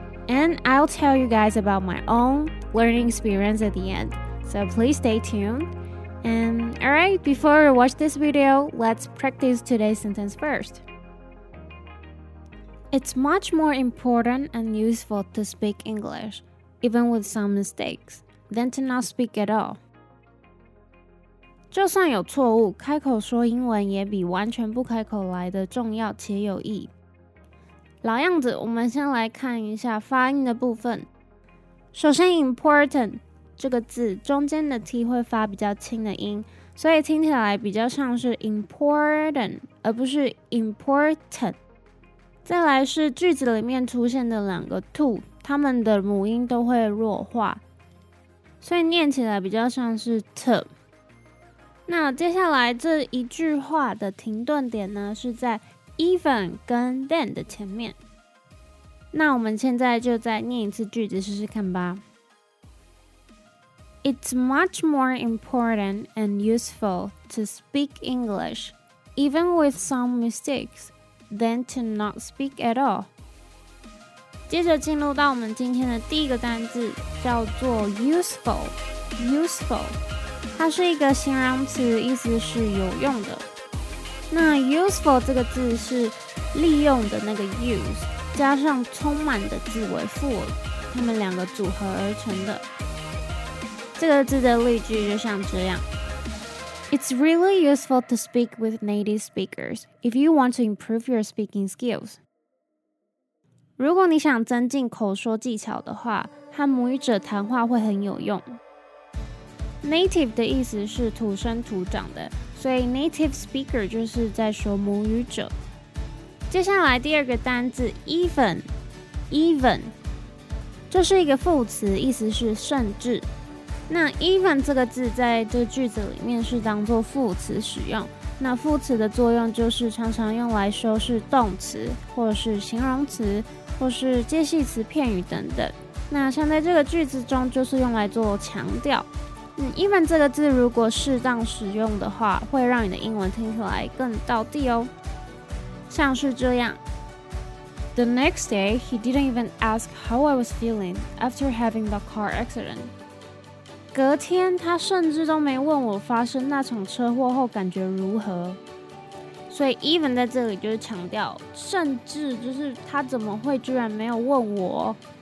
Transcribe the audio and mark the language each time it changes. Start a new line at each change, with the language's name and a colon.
English: And I'll tell you guys about my own learning experience at the end, so please stay tuned. And alright, before we watch this video, let's practice today's sentence first. It's much more important and useful to speak English, even with some mistakes, than to not speak at all.
Chinese: 就算有错误，开口说英文也比完全不开口来的重要且有益。老样子，我们先来看一下发音的部分。首先 important 这个字中间的 T 会发比较轻的音，所以听起来比较像是 important 而不是 important。再来是句子里面出现的两个 to， 它们的母音都会弱化，所以念起来比较像是 to。那接下来这一句话的停顿点呢，是在 even 跟 than 的前面。那我们现在就再念一次句子试试看吧。
English: It's much more important and useful to speak English even with some mistakes than to not speak at all。
Chinese: 接着进入到我们今天的第一个单字，叫做 useful。 useful 它是一个形容词，意思是有用的。那 useful 这个字是利用的那个 use加上充满的字尾 full， 它们两个组合而成的。这个字的例句就像这样。
English: It's really useful to speak with native speakers if you want to improve your speaking skills.
Chinese: 如果你想增进口说技巧的话，和母语者谈话会很有用。 Native 的意思是土生土长的，所以 native speaker 就是在说母语者。接下来第二个单字 even 这是一个副词，意思是甚至。那 even 这个字在这句子里面是当作副词使用，那副词的作用就是常常用来修饰动词或是形容词或是介系词片语等等。那像在这个句子中就是用来做强调。even 这个字如果适当使用的话，会让你的英文听起来更道地哦。像是这样。
English: The next day, he didn't even ask how I was feeling after having the car accident.
Chinese: 隔天他甚至都没问我发生那场车祸后感觉如何。所以 even 在这里就是强调甚至，就是他怎么会居然没有问我。